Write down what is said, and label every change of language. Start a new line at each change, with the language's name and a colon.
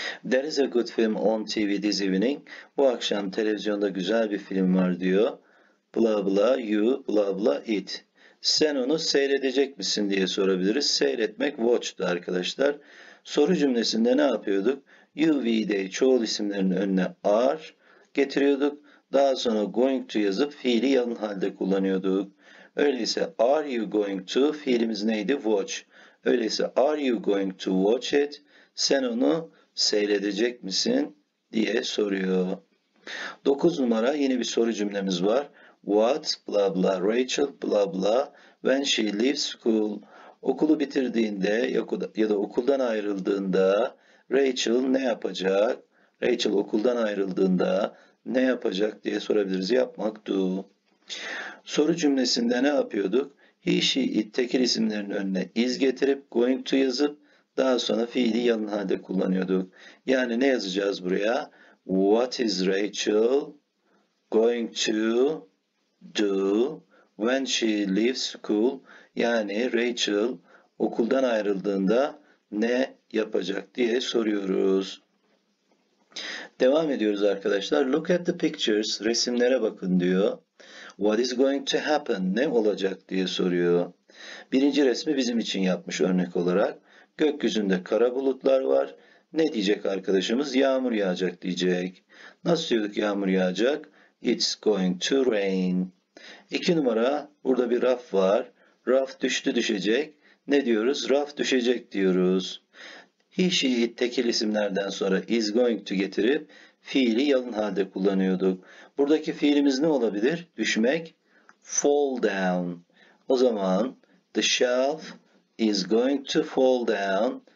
English: There is a good film on TV this evening.
Turkish: Bu akşam televizyonda güzel bir film var diyor.
English: Blah blah you blah blah it.
Turkish: Sen onu seyredecek misin diye sorabiliriz. Seyretmek watch'tu arkadaşlar. Soru cümlesinde ne yapıyorduk? You, we, they çoğul isimlerinin önüne are getiriyorduk. Daha sonra
English: going to
Turkish: yazıp fiili yalın halde kullanıyorduk. Öyleyse
English: are you going to
Turkish: fiilimiz neydi?
English: Watch. Öyleyse are you going to watch it?
Turkish: Sen onu seyredecek misin diye soruyor. 9 numara yeni bir soru cümlemiz var.
English: What blah blah Rachel blah blah when she leaves school.
Turkish: Okulu bitirdiğinde ya da okuldan ayrıldığında Rachel ne yapacak? Rachel okuldan ayrıldığında ne yapacak diye sorabiliriz. Yapmak do. Soru cümlesinde ne yapıyorduk? He, she, it tekil isimlerin önüne is getirip
English: going to
Turkish: yazıp daha sonra fiili yalın halde kullanıyorduk. Yani ne yazacağız buraya?
English: What is Rachel going to do when she leaves school?
Turkish: Yani Rachel okuldan ayrıldığında ne yapacak diye soruyoruz. Devam ediyoruz arkadaşlar.
English: Look at the pictures.
Turkish: Resimlere bakın diyor.
English: What is going to happen?
Turkish: Ne olacak diye soruyor. Birinci resmi bizim için yapmış örnek olarak. Gökyüzünde kara bulutlar var. Ne diyecek arkadaşımız? Yağmur yağacak diyecek. Nasıl diyorduk yağmur yağacak?
English: It's going to rain.
Turkish: İki numara, burada bir raf var. Raf düşecek. Ne diyoruz? Raf düşecek diyoruz. He, she, it tekil isimlerden sonra is going to getirip fiili yalın halde kullanıyorduk. Buradaki fiilimiz ne olabilir? Düşmek.
English: Fall down.
Turkish: O zaman
English: the shelf is going to fall down.